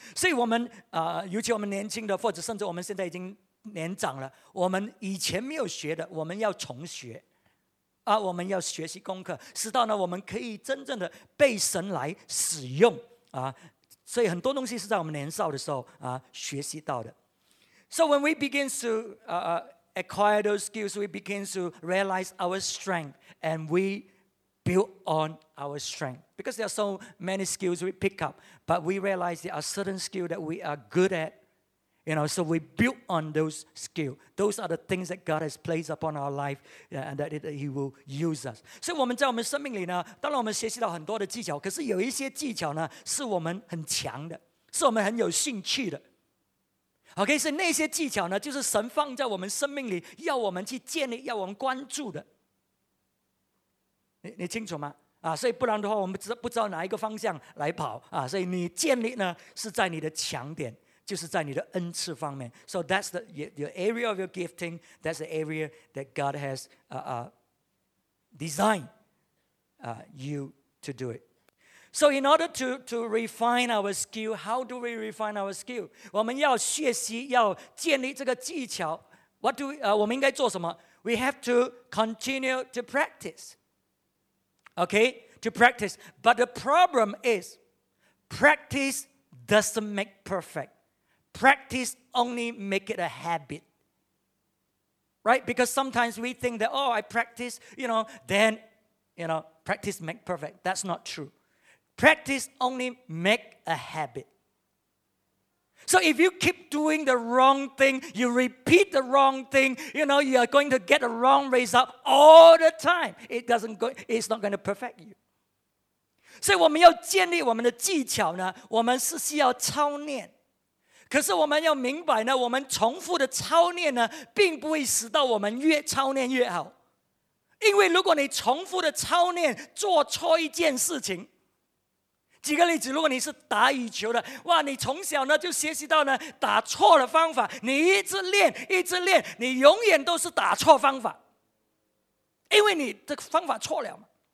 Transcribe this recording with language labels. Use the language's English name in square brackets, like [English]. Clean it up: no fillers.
[Chinese] 所以我们，尤其我们年轻的，或者甚至我们现在已经年长了，我们以前没有学的，我们要重学。啊，我们要学习功课，使到呢，我们可以真正的被神来使用。啊。所以很多东西是在我们年少的时候、学习到的。 [English] So when we begin to acquire those skills, we begin to realize our strength and we build on our strength. Because there are so many skills we pick up, but we realize there are certain skills that we are good at. You know, so we build on those skills. Those are the things that God has placed upon our life and that He will use us. [Chinese] 所以我们在我们生命里呢，当然我们学习到很多的技巧，可是有一些技巧呢，是我们很强的，是我们很有兴趣的。 OK, 所以那些技巧呢，就是神放在我们生命里，要我们去建立，要我们关注的。你清楚吗？啊，所以不然的话，我们不知道哪一个方向来跑啊。所以你建立呢，是在你的强点。 [English] 就是在你的恩赐方面 So that's the area of your gifting That's the area that God has designed you to do it So in order to refine our skill How do we refine our skill? 我们要学习要建立这个技巧 What do we, 我们应该做什么 We have to continue to practice Okay, to practice But the problem is Practice doesn't make perfectPractice only make it a habit, right? Because sometimes we think that, oh, I practice, you know, then, you know, practice make perfect. That's not true. Practice only make a habit. So if you keep doing the wrong thing, you repeat the wrong thing, you know, you are going to get the wrong result all the time. It doesn't go, it's not going to perfect you. [Chinese] So 我们要建立我们的技巧呢，我们是需要操练。可是我们要明白呢，我们重复的操练呢，并不会使到我们越操练越好。因为如果你重复的操练做错一件事情，举个例子，如果你是打羽球的，哇，你从小呢就学习到呢打错的方法，你一直练，一直练，你永远都是打错方法，因为你的方法错了嘛。